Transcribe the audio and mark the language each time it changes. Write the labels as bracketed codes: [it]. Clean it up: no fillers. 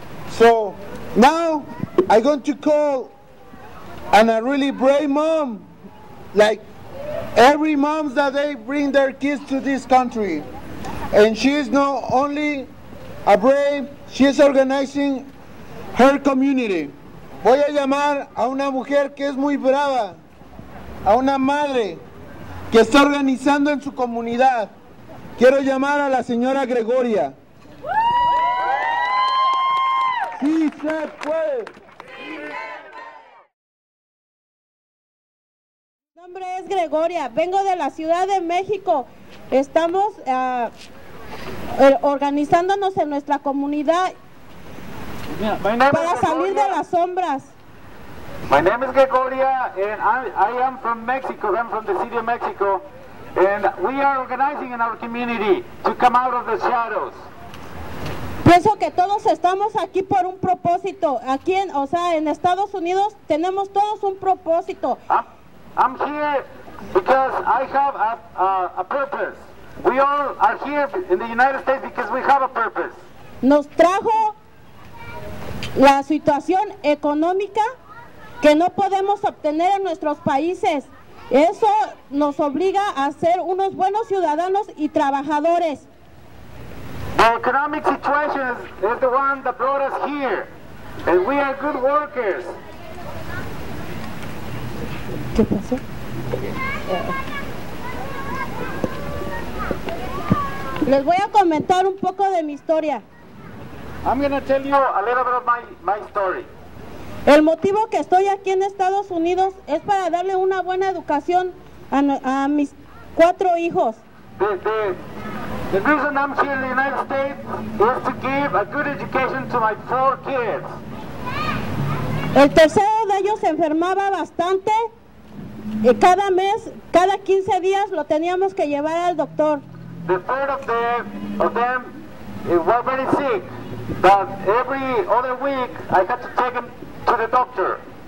[en] So, now I'm going to call on a really brave mom, like every mom that they bring their kids to this country. And she is not only a brave, she is organizing her community. [es] Voy a llamar a una mujer que es muy brava, a una madre que está organizando en su comunidad. Quiero llamar a la señora Gregoria. Sí, se puede. Mi nombre es Gregoria, vengo de la Ciudad de México. Estamos organizándonos en nuestra comunidad. Para salir de las sombras. [en] My name is Gregoria, and I am from Mexico. I'm from the city of Mexico, and we are organizing in our community to come out of the shadows. [es] Pienso que todos estamos aquí por un propósito. Aquí en, o sea, en Estados Unidos tenemos todos un propósito. [en] I'm here because I have a purpose. We all are here in the United States because we have a purpose. [es] Nos trajo la situación económica que no podemos obtener en nuestros países. Eso nos obliga a ser unos buenos ciudadanos y trabajadores. [en] The economic situation is the one that brought us here. And we are good workers. [es] ¿Qué pasó? Les voy a comentar un poco de mi historia. [en] I'm going to tell you a little bit of my story. [es] El motivo que estoy aquí en Estados Unidos es para darle una buena educación a mis cuatro hijos. [en] The reason I'm here in the United States is to give a good education to my four kids. [es] El tercero de ellos se enfermaba bastante. Y cada mes, cada 15 días lo teníamos que llevar al doctor. [en] The third of them was very sick. But every other week, I had to take him to the doctor.